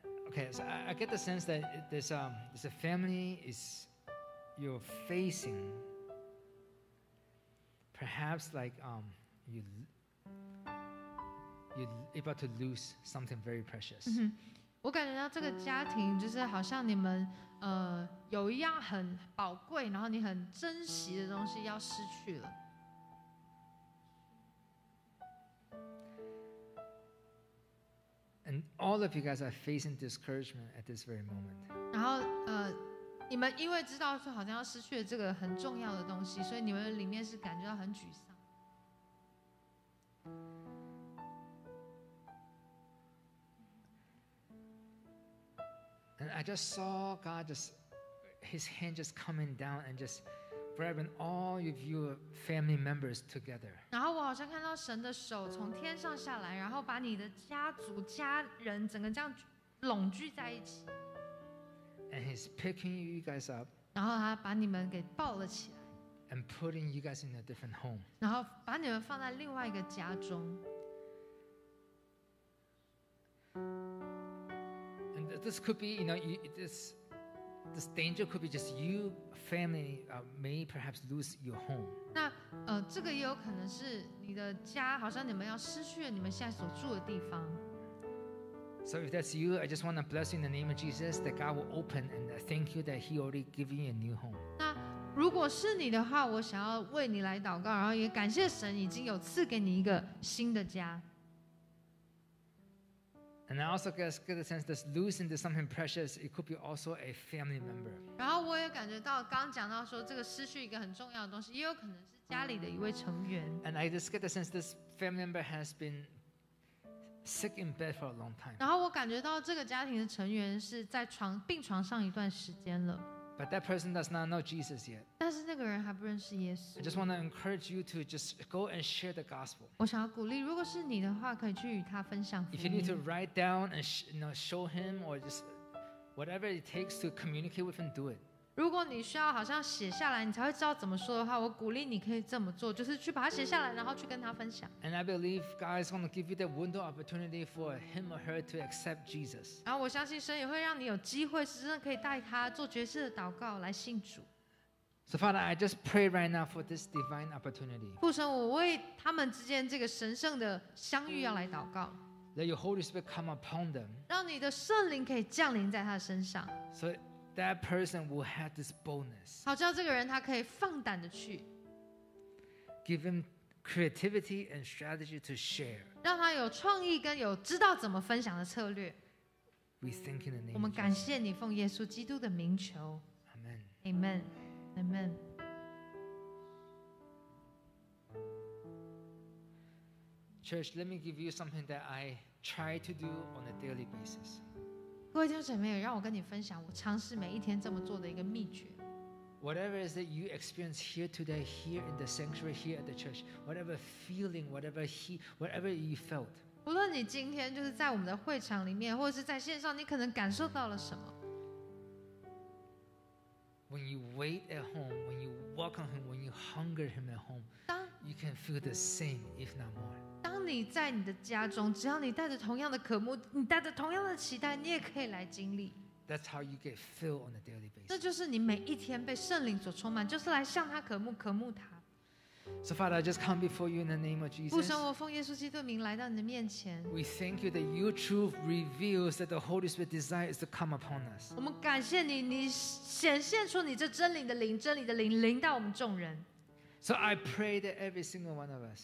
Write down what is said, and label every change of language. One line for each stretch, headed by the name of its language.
English: Okay, so I get the sense that there's a family is you're facing. Perhaps like you're about to lose something very precious.
Chinese: 我感觉到这个家庭就是好像你们有一样很宝贵，然后你很珍惜的东西要失去了。
English: And all of you guys are facing discouragement at this very moment.
Chinese: 然后你们因为知道说好像要失去了这个很重要的东西，所以你们里面是感觉到很沮丧。
English: And I just saw God just his hand just coming down and just grabbing all of your family members together.
Chinese: 然后我好像看到神的手从天上下来，然后把你的家族家人整个这样拢聚在一起。
English: And he's picking you guys up.
Chinese: 然后他把你们给抱了起来。
English: And putting you guys in a different home.
Chinese: 然后把你们放在另外一个家中。
English: This could be, you know, this danger could be just you, family, may perhaps lose your home.
Chinese: 那这个也有可能是你的家，好像你们要失去了你们现在所住的地方。
English: So if that's you, I just want to bless you in the name of Jesus that God will open and thank you that He already gave you a new home.
Chinese: 那如果是你的话，我想要为你来祷告，然后也感谢神已经有赐给你一个新的家。
English: And I also get a sense that losing to something precious, it could be also a family member.
Chinese: 然后我也感觉到刚讲到说这个失去一个很重要的东西，也有可能是家里的一位成员。
English: And I just get a sense this family member has been sick in bed for a long time.
Chinese: 然后我感觉到这个家庭的成员是在床病床上一段时间了。
English: But that person does not know Jesus yet.
Chinese: 但是那个人还不认识耶稣。
English: I just want to encourage you to just go and share the gospel.
Chinese: 我想要鼓励，如果是你的话，可以去与他分享福音。
English: If you need to write down and show him or just whatever it takes to communicate with him, do it.
Chinese: 如果你需要好像写下来，你才会知道怎么说的话，我鼓励你可以这么做，就是去把它写下来，然后去跟他分享。
English: And I believe God is going to give you that window opportunity for him or her to accept Jesus.
Chinese: 然后我相信神也会让你有机会，是真的可以带他做决志的祷告来信主。
English: So Father, I just pray right now for this divine opportunity.
Chinese: 父神，我为他们之间这个神圣的相遇要来祷告。
English: Let your Holy Spirit come upon them.
Chinese: 让你的圣灵可以降临在他的身上。
English: So that person will have this boldness.
Chinese: 好叫这个人他可以放胆的去。
English: Give him creativity and strategy to share.
Chinese: 让他有创意跟有知道怎么分享的策略。
English: We thank in the name.
Chinese: 我们感谢你，奉耶稣基督的名求。
English: Amen. Amen. Amen. Church, let me give you something that I try to do on a daily basis.
Chinese: 各位弟兄姐妹，让我跟你分享我尝试每一天这么做的一个秘诀。
English: Whatever is that you experience here today, here in the sanctuary, here at the church, whatever feeling, whatever you felt.
Chinese: 无论你今天就是在我们的会场里面，或者是在线上，你可能感受到了什么。
English: When you wait at home, when you welcome him, when you hunger him at home, you can feel the same, if not more.
Chinese: 你在你的家中，只要你带着同样的渴慕，你带着同样的期待，你也可以来经历。
English: That's how you get filled on a daily basis.
Chinese: 那就是你每一天被圣灵所充满，就是来向他渴慕，渴慕他。
English: So Father, I just come before you in the name of Jesus.
Chinese: 父神，我奉耶稣基督的名来到你的面前。
English: We thank you that your truth reveals that the Holy Spirit desires to come upon us.
Chinese: 我们感谢你，你显现出你这真理的灵，真理的灵临到我们众人。
English: So I pray that every single one of us.